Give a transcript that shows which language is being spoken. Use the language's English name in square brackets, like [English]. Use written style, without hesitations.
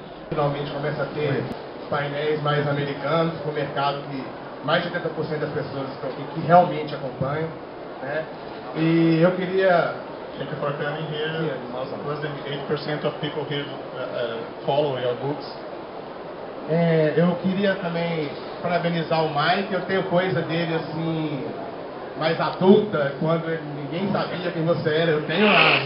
[Portuguese] Finalmente começa a ter painéis mais americanos com o mercado que mais de 80% das pessoas estão aqui que realmente acompanham, né? E eu queria [English] thank you for coming here. Yeah, awesome. Less than 8% of people here follow your books. [Portuguese] Eu queria também parabenizar o Mike. Eu tenho coisa dele assim mais adulta, quando ninguém sabia quem você era. Eu tenho lá.